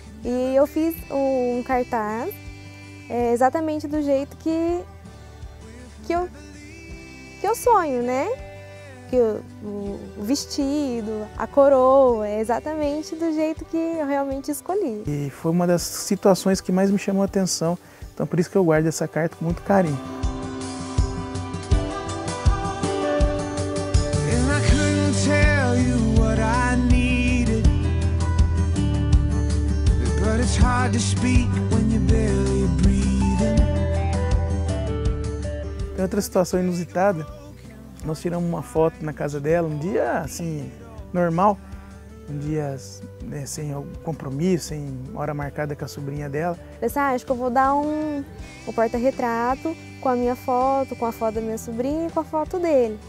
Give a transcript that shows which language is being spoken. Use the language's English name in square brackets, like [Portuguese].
[Portuguese] E eu fiz um cartaz exatamente do jeito que eu sonho, né? O vestido, a coroa, é exatamente do jeito que eu realmente escolhi. E foi uma das situações que mais me chamou a atenção, então por isso que eu guardo essa carta com muito carinho. [English] And I couldn't tell you what I needed, but it's hard. hard to speak when you're barely breathing. [Portuguese] Tem outra situação inusitada. Nós tiramos uma foto na casa dela, um dia assim, normal, um dia né, sem compromisso, sem hora marcada com a sobrinha dela. Pensei, acho que eu vou dar um porta-retrato com a minha foto, com a foto da minha sobrinha e com a foto dele.